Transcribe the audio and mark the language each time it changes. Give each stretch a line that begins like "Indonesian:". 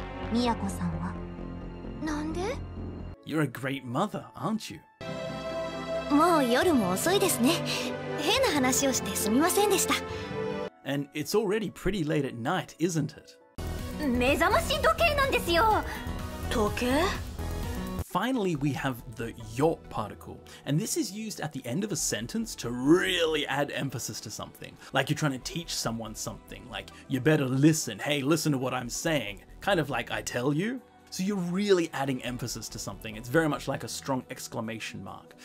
Japanese: いい母親ですね、宮子さんは。なんで?
English: You're a great mother, aren't you?
Japanese: もう夜も遅いですね。変な話をしてすみませんでした。
English: And it's already pretty late at night, isn't it?
Japanese: 目覚まし時計なんですよ。時計?
English: Finally, we have the よ particle, and this is used at the end of a sentence to really add emphasis to something. Like you're trying to teach someone something, like, you better listen, hey, listen to what I'm saying. Kind of like, I tell you. So you're really adding emphasis to something. It's very much like a strong exclamation mark.